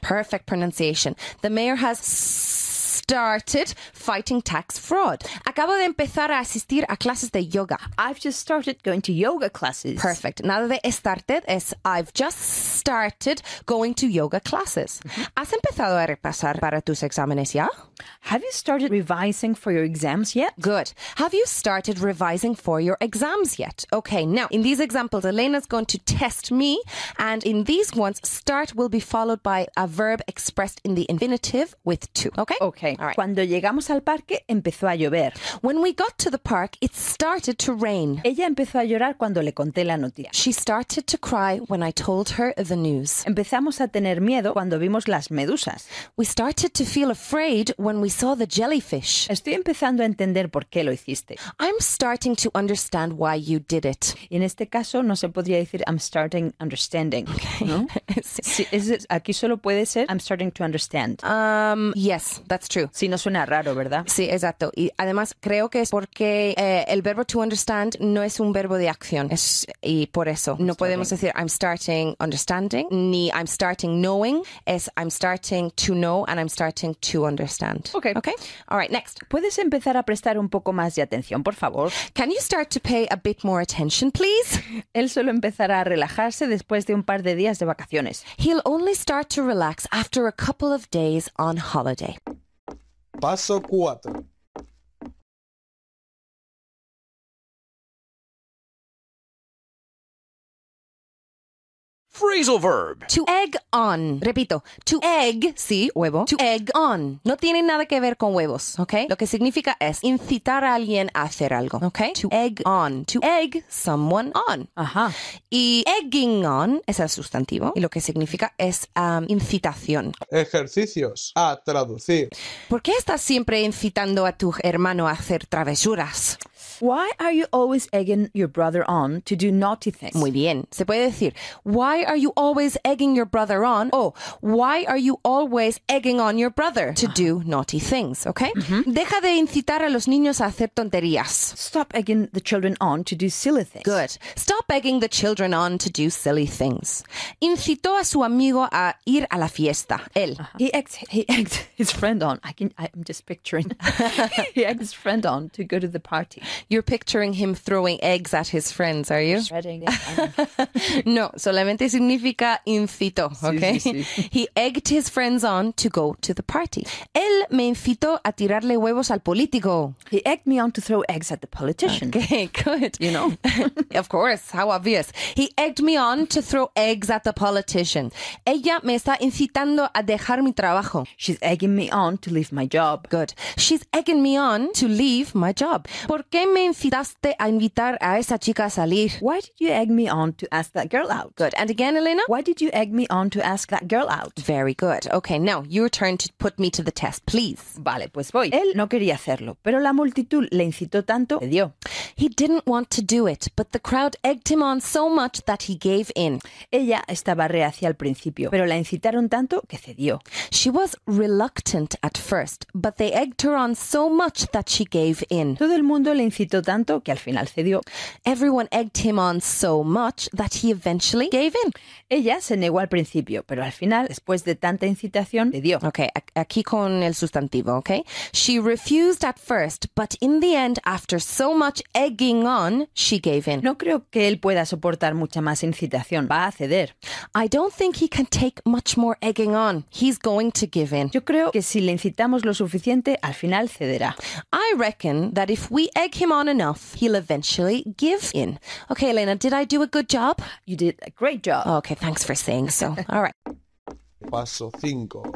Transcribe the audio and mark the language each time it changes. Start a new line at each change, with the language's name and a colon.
English: Perfect pronunciation. The mayor has started fighting tax fraud.
Spanish: Acabo de empezar a asistir a clases de yoga.
English: I've just started going to yoga classes. Perfect.
Spanish: Nada de started es
English: I've just started going to yoga classes.
Spanish: ¿Has empezado a repasar para tus exámenes ya?
English: Have you started revising for your exams yet? Good. Have you started revising for your exams yet? Okay, now, in these examples, Elena's going to test me. And in these ones, start will be followed by a verb expressed in the infinitive with to. Okay? Okay. All right.
Spanish: Cuando llegamos al parque, empezó a llover.
English: When we got to the park, it started to rain.
Spanish: Ella empezó a llorar cuando le conté la noticia.
English: She started to cry when I told her the news.
Spanish: Empezamos a tener miedo cuando vimos las medusas.
English: We started to feel afraid when we saw the jellyfish.
Spanish: Estoy empezando a entender por qué lo hiciste.
English: I'm starting to understand why you did it.
Spanish: Y en este caso no se podría decir
English: I'm starting understanding. Okay.
Spanish: ¿No? Sí. Aquí solo puede ser
English: I'm starting to understand. Yes, that's true.
Spanish: Sí, no suena raro, ¿verdad? Sí, exacto. Y además creo que es porque el verbo to understand no es un verbo de acción. Y por eso no podemos decir
English: I'm starting understanding
Spanish: ni
English: I'm starting knowing.
Spanish: Es I'm starting to know and I'm starting to understand.
English: Okay. Okay. All right, next.
Spanish: ¿Puedes empezar a prestar un poco más de atención, por favor?
English: Can you start to pay a bit more attention, please?
Spanish: Él solo empezará a relajarse después de un par de días de vacaciones.
English: He'll only start to relax after a couple of days on holiday.
Spanish: Paso 4.
English: Phrasal verb. To egg on. Repito. To egg.
Spanish: Sí, huevo.
English: To egg on.
Spanish: No tiene nada que ver con huevos, ¿ok? Lo que significa es incitar a alguien a hacer algo, ¿ok?
English: To egg on. To egg someone on. Ajá.
Spanish: Y egging on es el sustantivo. Y lo que significa es incitación. Ejercicios a traducir. ¿Por qué estás siempre incitando a tu hermano a hacer travesuras?
English: Why are you always egging your brother on to do naughty things?
Spanish: Muy bien. Se puede decir,
English: why are you always egging your brother on? Oh, why are you always egging on your brother to do naughty things? Okay? Mm-hmm.
Spanish: Deja de incitar a los niños a hacer tonterías.
English: Stop egging the children on to do silly things. Good. Stop egging the children on to do silly things.
Spanish: Incitó a su amigo a ir a la fiesta. Él. Uh-huh.
English: He egged his friend on. I'm just picturing. He egged his friend on to go to the party. You're picturing him throwing eggs at his friends, are you? Shredding.
Spanish: No, solamente significa incito, okay? Sí, sí, sí.
English: He egged his friends on to go to the party.
Spanish: Él me incitó a tirarle huevos al político.
English: He egged me on to throw eggs at the politician. Okay, good. You know. Of course, how obvious. He egged me on to throw eggs at the politician. Ella me está incitando a dejar mi trabajo. She's egging me on to leave my job. Good. She's egging me on to leave my job.
Spanish: ¿Por qué me incitaste a invitar a esa chica a salir?
English: Why did you egg me on to ask that girl out? Good. And again, Elena? Why did you egg me on to ask that girl out? Very good. Okay, now your turn to put me to the test, please.
Spanish: Vale, pues voy. Él no quería hacerlo, pero la multitud le incitó tanto, le dio.
English: He didn't want to do it, but the crowd egged him on so much that he gave in.
Spanish: Ella estaba reacia al principio, pero la incitaron tanto que cedió.
English: She was reluctant at first, but they egged her on so much that she gave in.
Spanish: Todo el mundo le incitó tanto que al final cedió.
English: Everyone egged him on so much that he eventually gave in.
Spanish: Ella se negó al principio, pero al final, después de tanta incitación, cedió. Okay, aquí con el sustantivo, okay?
English: She refused at first, but in the end, after so much egging on, she gave in.
Spanish: No creo que él pueda soportar mucha más incitación. Va a ceder.
English: I don't think he can take much more egging on. He's going to give in.
Spanish: Yo creo que si le incitamos lo suficiente, al final cederá.
English: I reckon that if we egg him on enough, he'll eventually give in. Okay, Elena, did I do a good job? You did a great job. Okay, thanks for saying so. All right.
Spanish: Paso 5.